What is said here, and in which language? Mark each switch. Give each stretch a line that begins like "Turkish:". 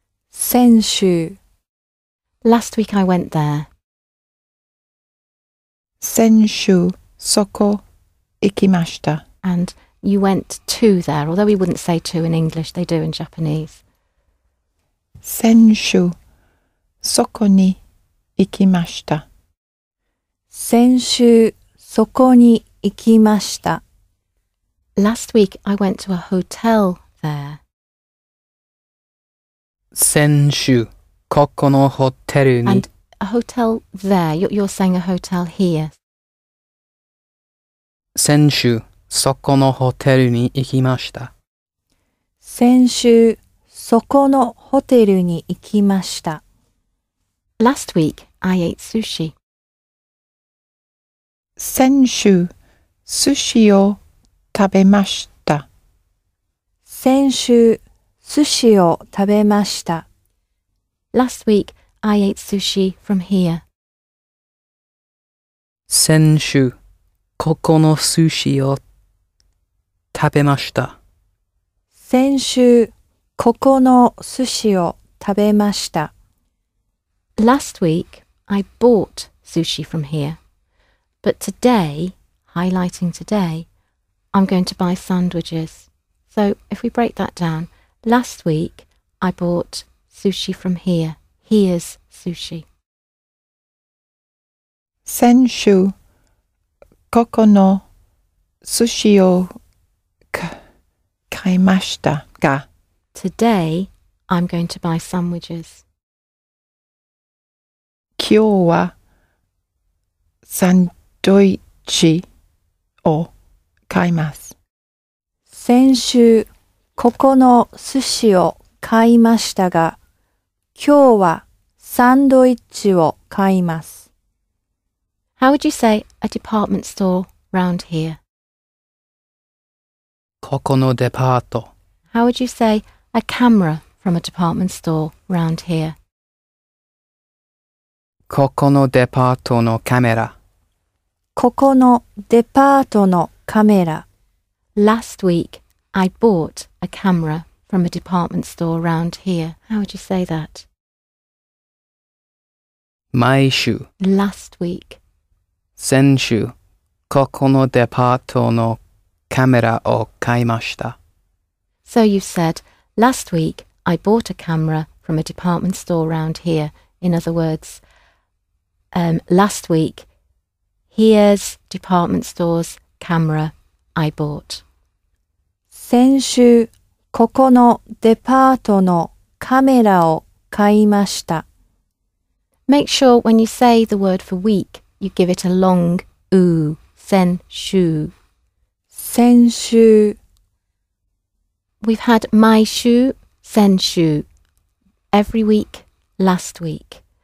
Japanese: 先週.
English: Last week I went there.
Japanese: 先週そこ行きました.
English: And you went to there, although we wouldn't say to in English, they do in Japanese.
Japanese: 先週そこに行きました。先週そこに行きました。
English: Last week I went to a hotel there.
Japanese: 先週ここのホテルに。
English: And a hotel there. You're saying a hotel here.
Japanese: 先週そこのホテルに行きました。先週そこのホテルに行きました。
English: Last week, I ate sushi.
Japanese: 先週、寿司を食べました。先週、寿司を食べました。
English: Last week, I ate sushi from here.
Japanese: 先週、ここの寿司を食べました。先週、ここの寿司を食べました。
English: Last week, I bought sushi from here. But today, highlighting today, I'm going to buy sandwiches. So, if we break that down, last week, I bought sushi from here. Here's sushi.
Japanese: 先週、ここの寿司を買いましたが。
English: Today, I'm going to buy sandwiches.
Japanese: 今日はサンドイッチを買います。先週、ここの寿司を買いましたが、今日はサンドイッチを買います。
English: How would you say a department store round here?
Japanese: ここのデパート。
English: How would you say a camera from a department store round here?
Japanese: ここのデパートのカメラ。ここのデパートのカメラ。
English: Last week, I bought a camera from a department store around here. How would you say that?
Japanese: 毎週。
English: Last week.
Japanese: 先週、ここのデパートのカメラを買いました。
English: So you said, last week, I bought a camera from a department store around here. In other words,last week, here's department store's camera I bought.
Japanese: 先週、ここのデパートのカメラを買いました。
English: Make sure when you say the word for week, you give it a long oo.
Japanese: 先週。先週。
English: We've had
Japanese: 毎週、先週。
English: Every week, last week.